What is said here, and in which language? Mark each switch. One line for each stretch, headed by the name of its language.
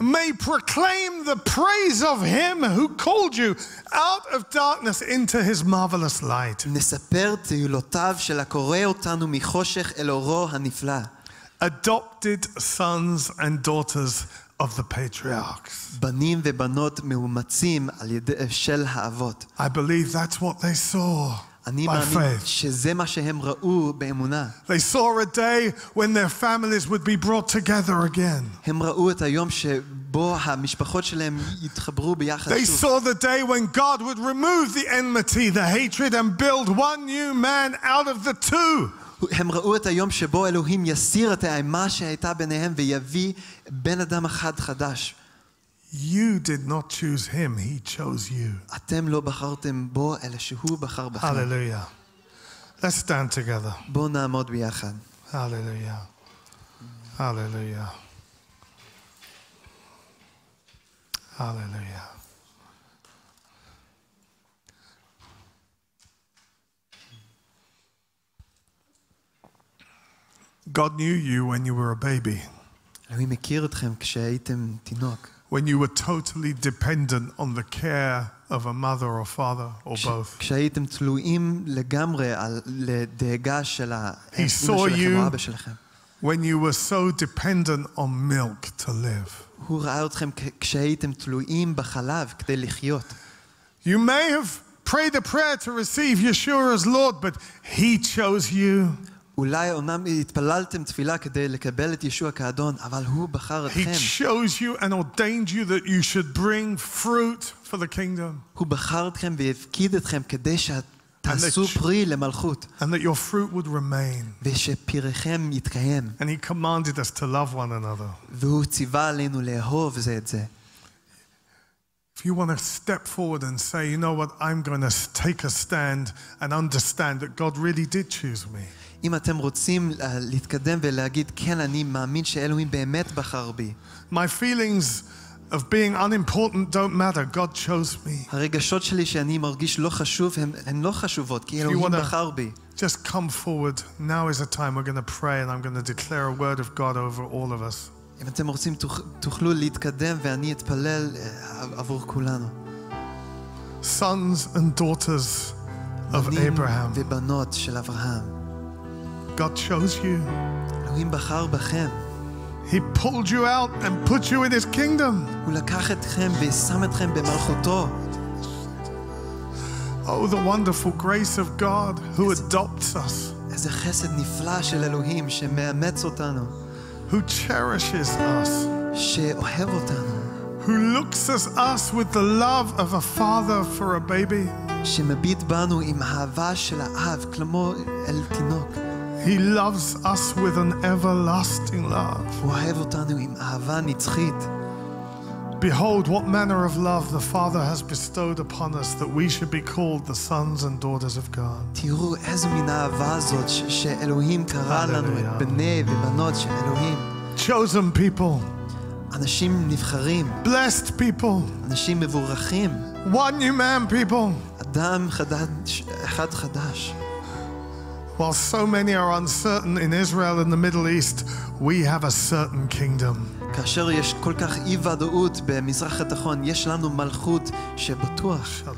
English: May proclaim the praise of him who called you out of darkness into his marvelous light.
Hebrew: נספר תהילותיו של הקורא אותנו מחושך אל אורו הנפלא.
English: Adopted sons and daughters. Of the patriarchs.
Hebrew: בנים ובנות מאומצים על ידי של האבות.
English: I believe that's what they saw.
Hebrew: אני מאמין שזה מה שהם ראו באמונה.
English: They saw a day when their families would be brought together again.
Hebrew: הם ראו את היום שבו המשפחות שלהם יתחברו ביחד שוב.
English: They saw the day when God would remove the enmity, the hatred, and build one new man out of the two.
Hebrew: הם ראו את היום שבו אלוהים יסיר את האימה שהייתה ביניהם ויביא בן אדם אחד חדש.
English: You did not choose him, he chose you.
Hebrew: אתם לא בחרתם בו, אלא שהוא בחר בכם.
English: Hallelujah. Let's stand together.
Hebrew: בואו נעמוד ביחד.
English: Hallelujah. Hallelujah. Hallelujah. God knew you when you were a baby.
Hebrew: אני מכיר אתכם כשהייתם תינוק.
English: When you were totally dependent on the care of a mother or father or both.
Hebrew: כשהייתם תלויים לגמרי על דאגה של האמא שלכם או אבא שלכם.
English: He saw you when you were so dependent on milk to live.
Hebrew: הוא ראה אתכם כשהייתם תלויים בחלב כדי לחיות.
English: You may have prayed a prayer to receive Yeshua as Lord, but he chose you.
Hebrew: אולי אומנם התפללתם תפילה כדי לקבל את ישוע כאדון, אבל הוא בחר אתכם.
English: He chose you and ordained you that you should bring fruit for the kingdom.
Hebrew: הוא בחר אתכם והפקיד אתכם כדי שתעשו פרי למלכות.
English: And that your fruit would remain.
Hebrew: ושפיריכם יתקיים.
English: And he commanded us to love one another.
Hebrew: והוא ציווה עלינו לאהוב זה את זה.
English: If you want to step forward and say, you know what, I'm going to take a stand and understand that God really did choose me.
Hebrew: אם אתם רוצים להתקדם ולהגיד, כן, אני מאמין שאלוהים באמת בחר בי.
English: My feelings of being unimportant don't matter. God chose me.
Hebrew: הרגשות שלי שאני מרגיש לא חשוב, הן לא חשובות, כי אלוהים בחר בי.
English: Just come forward. Now is the time we're going to pray and I'm going to declare a word of God over all of us.
Hebrew: אם אתם רוצים תוכלו להתקדם ואני אתפלל עבור כולנו.
English: Sons and daughters of Abraham.
Hebrew: בנים ובנות של אברהם.
English: God chose you.
Hebrew: אלוהים בחר בכם.
English: He pulled you out and put you in his kingdom.
Hebrew: הוא לקח אתכם ושם אתכם במלכותו.
English: Oh, the wonderful grace of God who adopts us.
Hebrew: איזה חסד נפלא של אלוהים שמאמץ אותנו.
English: Who cherishes us?
Hebrew: שאוהב אותנו.
English: Who looks at us with the love of a father for a baby.
Hebrew: שמביט בנו עם אהבה של האב, כמו אל תינוק.
English: He loves us with an everlasting love.
Hebrew: הוא אוהב אותנו עם אהבה נצחית.
English: Behold what manner of love the Father has bestowed upon us that we should be called the sons and daughters of God.
Hebrew: תראו איזו מין אהבה זאת שאלוהים קרא לנו את בני ובנות של אלוהים.
English: Chosen people.
Hebrew: אנשים נבחרים.
English: Blessed people.
Hebrew: אנשים מבורכים.
English: One new man people.
Hebrew: אדם חדש, אחד חדש.
English: While so many are uncertain in Israel and the Middle East, we have a certain kingdom.
Hebrew: כאשר יש כל כך אי ודאות במזרח התיכון, יש לנו מלכות שבטוח.